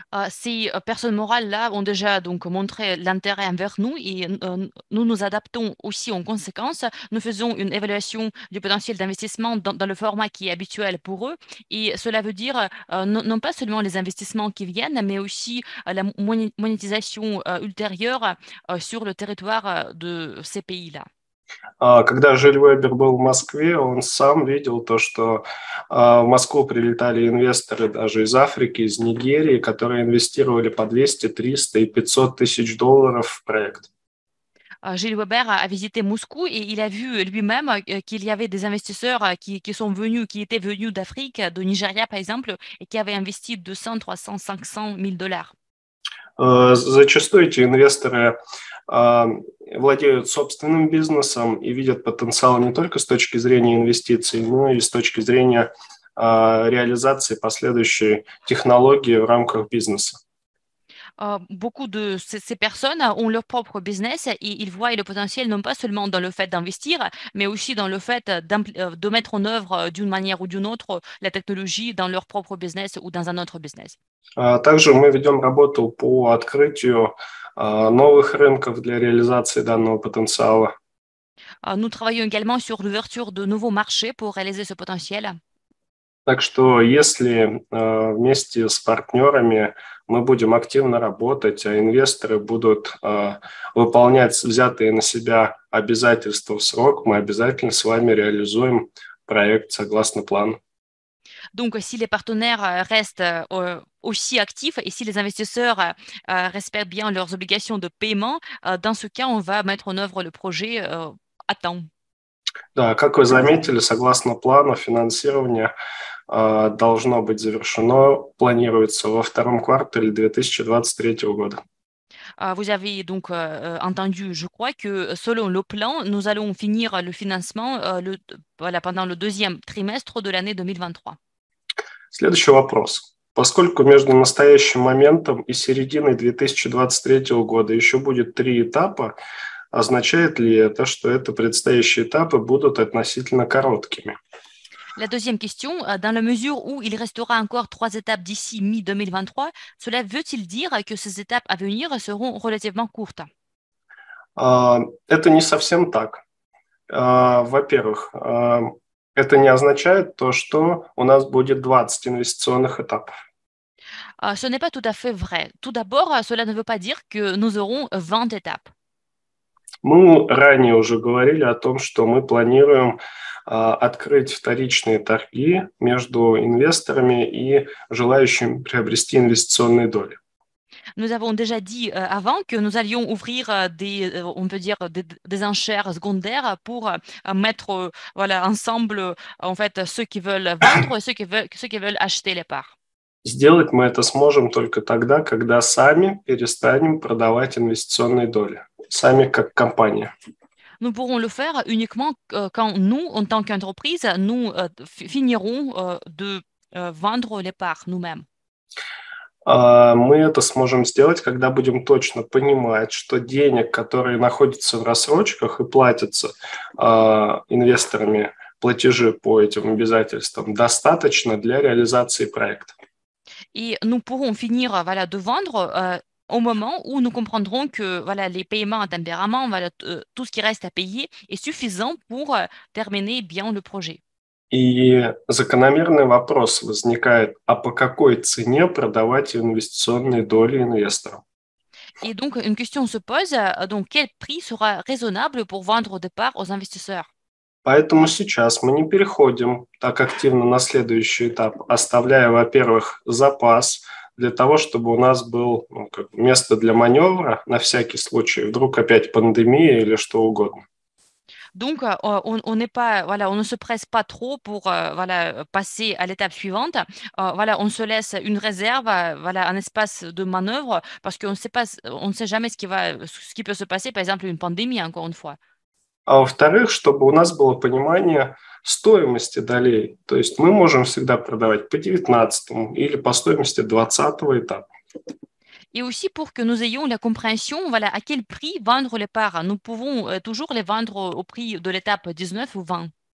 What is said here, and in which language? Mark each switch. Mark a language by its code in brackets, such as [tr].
[fr] Ces personnes morales là ont déjà donc montré l'intérêt envers nous et nous nous adaptons aussi en conséquence. Nous faisons une évaluation du potentiel d'investissement dans le format qui est habituel pour eux et cela veut dire non pas seulement les investissements qui viennent, mais aussi la monétisation ultérieure sur le territoire de ces pays-là. [ru] Когда Жюль Вебер был в Москве, он сам видел то, что в Москву прилетали инвесторы даже из Африки, из Нигерии, которые инвестировали по 200, 300 и 500 тысяч долларов в проект. [fr] Жюль Вебер a visité Moscou et il a vu lui-même qu'il y avait des investisseurs qui sont venus, qui étaient venus d'Afrique, de Nigeria par exemple, et qui avaient investi 200, 300, 500 000 dollars. [ru] Зачастую эти инвесторы владеют собственным бизнесом и видят потенциал не только с точки зрения инвестиций, но и с точки зрения реализации последующей технологии в рамках бизнеса. [fr] Beaucoup de ces personnes ont leur propre business et ils voient le potentiel non pas seulement dans le fait d'investir, mais aussi dans le fait de mettre en œuvre d'une manière ou d'une autre la technologie dans leur propre business ou dans un autre business. [ru] Также мы ведем работу по открытию новых рынков для реализации данного потенциала. [fr] Nous travaillons également sur l'ouverture de nouveaux marchés pour réaliser ce potentiel. [ru] Так что если вместе с партнерами мы будем активно работать, а инвесторы будут выполнять взятые на себя обязательства в срок, мы обязательно с вами реализуем проект согласно плану. [fr] Donc, si les partenaires restent aussi actifs et si les investisseurs respectent bien leurs obligations de paiement, dans ce cas, on va mettre en œuvre le projet à temps. [ru] Да, как вы заметили, согласно плану финансирование должно быть завершено, планируется во втором квартале 2023 года. [fr] Vous avez donc entendu, je crois, que selon le plan, nous allons finir le financement pendant le deuxième trimestre de l'année 2023. [ru] Следующий вопрос. Поскольку между настоящим моментом и серединой 2023 года еще будет три этапа, означает ли это, что эти предстоящие этапы будут относительно короткими? [fr] La deuxième question, dans la mesure où il restera encore trois étapes d'ici mi-2023, cela veut-il dire que ces étapes à venir seront relativement courtes? [ru] Это не совсем так. Во-первых, это не означает то, что у нас будет 20 инвестиционных этапов. [fr] Ce n'est pas tout à fait vrai. Tout d'abord, cela ne veut pas dire que nous aurons 20 étapes. [ru] Мы ранее уже говорили о том, что мы планируем открыть вторичные торги между инвесторами и желающими приобрести инвестиционные доли. [fr] Nous avons déjà dit avant que nous allions ouvrir des enchères secondaires pour mettre ensemble en fait ceux qui veulent vendre et ceux qui veulent acheter les parts. [ru] Сделать мы это сможем только тогда, когда сами перестанем продавать инвестиционные доли, сами как компания. [fr] Nous pourrons le faire uniquement quand nous, en tant qu'entreprise, nous finirons de vendre les parts nous-mêmes. [ru] Мы это сможем сделать, когда будем точно понимать, что денег, которые находятся в рассрочках и платятся инвесторами платежи по этим обязательствам, достаточно для реализации проекта. [fr] Et nous pourrons finir de vendre au moment où nous comprendrons que les paiements à tempérament, tout ce qui reste à payer est suffisant pour terminer bien le projet. [ru] И закономерный вопрос возникает, а по какой цене продавать инвестиционные доли инвесторам? [fr] Et donc une question se pose, donc quel prix sera raisonnable pour vendre des parts aux investisseurs? [ru] Поэтому сейчас мы не переходим так активно на следующий этап, оставляя, во-первых, запас для того, чтобы у нас был место для маневра на всякий случай, вдруг опять пандемия или что угодно. [fr] Donc on n'est pas on ne se presse pas trop pour passer à l'étape suivante. On se laisse une réserve, un espace de manœuvre parce qu'on sait pas on ne sait jamais ce qui peut se passer, par exemple une pandémie encore une fois. [ru] А во-вторых, чтобы у нас было понимание стоимости долей. То есть мы можем всегда продавать по 19-му или по стоимости 20-го этапа. И [fr] aussi pour que nous ayons la compréhension, à quel prix vendre les parts. Nous pouvons toujours les vendre au prix de l'étape 19 ou 20.